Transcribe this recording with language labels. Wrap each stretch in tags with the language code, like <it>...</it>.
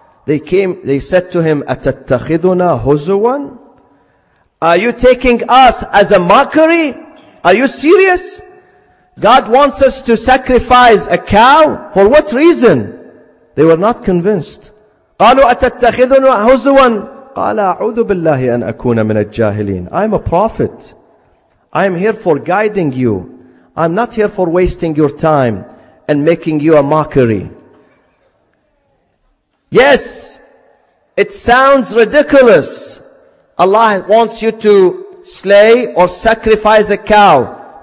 <en>They came, they said to him,</en> <ar>أَتَتَّخِذُنَا هُزُوًا.</ar> <en>Are you taking us as a mockery? Are you serious? God wants us to sacrifice a cow? For what reason? They were not convinced.</en> <ar>قالوا أتتخذنا هزوا. قال أعوذ بالله أن أكون من الجاهلين.</ar> <en>I'm a prophet. I'm here for guiding you. I'm not here for wasting your time and making you a mockery. Yes, it sounds ridiculous. Allah wants you to slay or sacrifice a cow.</en>